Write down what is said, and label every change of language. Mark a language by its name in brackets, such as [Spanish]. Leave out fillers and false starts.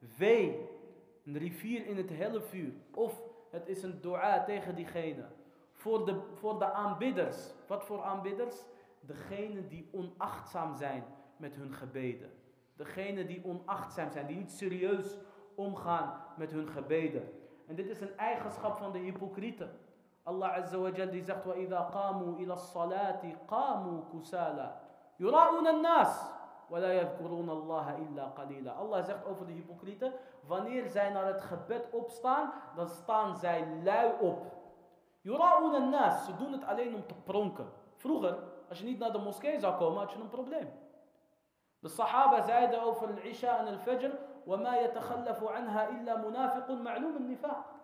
[Dutch] Wee, een rivier in het hele vuur, of het is een dua tegen diegene. Voor de aanbidders. Wat voor aanbidders? Degene die onachtzaam zijn met hun gebeden. Degene die onachtzaam zijn, die niet serieus omgaan met hun gebeden. En dit is een eigenschap van de hypocrieten. Allah Azza wa Jal die zegt, [Arabic] وَإِذَا قَامُوا إِلَى الصَّلَاةِ قَامُوا كُسَالًا يُرَاؤُنَ النَّاسِ وَلَا يَذْكُرُونَ اللَّهَ إِلَّا قَلِيلًا. [Dutch] Allah zegt over de hypocrieten, wanneer zij naar het gebed opstaan, dan staan zij lui op. [Arabic] يُرَاؤُنَ النَّاسِ, [Dutch] ze doen het alleen om te pronken. Vroeger, als je niet naar de moskee zou komen, had je een probleem. De sahaba zeiden over al-Isha en al-Fajr, [Arabic] وَمَا يَتَخَلَّفُ عَنْهَا إِلَّا مُنَافِقٌ مَعْلُومٌ النِّفَاقُ.